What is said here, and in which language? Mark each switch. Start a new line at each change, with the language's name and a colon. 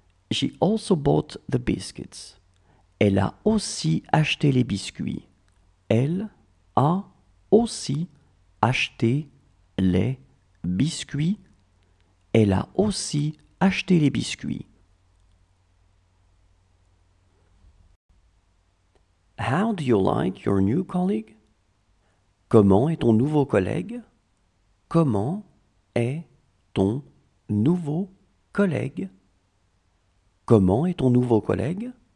English: She also bought the biscuits.
French: Elle a aussi acheté les biscuits. Elle a aussi acheté les biscuits. Elle a aussi acheté les biscuits.
English: How do you like your new colleague?
French: Comment est ton nouveau collègue? Comment est ton nouveau collègue? Comment est ton nouveau collègue?